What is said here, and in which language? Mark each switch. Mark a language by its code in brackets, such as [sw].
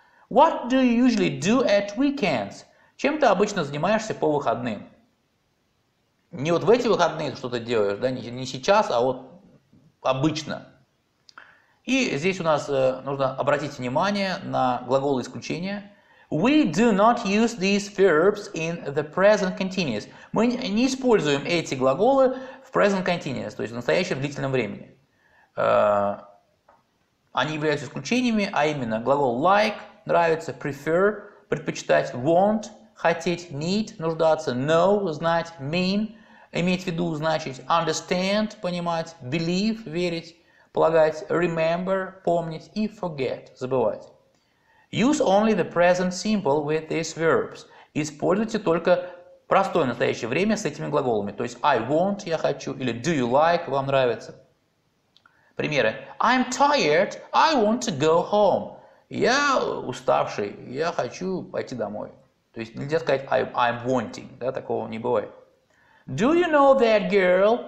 [en] What do you usually do at weekends? [ru] Чем ты обычно занимаешься по выходным? Не вот в эти выходные что-то делаешь, да, не сейчас, а вот обычно. И здесь у нас нужно обратить внимание на глаголы исключения. [en] We do not use these verbs in the present continuous. [ru] Мы не используем эти глаголы в present continuous, то есть в настоящем длительном времени. Они являются исключениями, а именно глагол like, нравится, prefer, предпочитать, want, хотеть, need, нуждаться, know, знать, mean, иметь в виду, значить, understand, понимать, believe, верить, полагать, remember, помнить и forget, забывать. [en] Use only the present simple with these verbs. [ru] Используйте только простое настоящее время с этими глаголами. То есть [en] I want, [ru] я хочу, или [en] do you like, [ru] вам нравится. Примеры. [en] I'm tired, I want to go home. [ru] Я уставший, я хочу пойти домой. То есть нельзя сказать [en] I'm wanting. [ru] Да, такого не бывает. [en] Do you know that girl?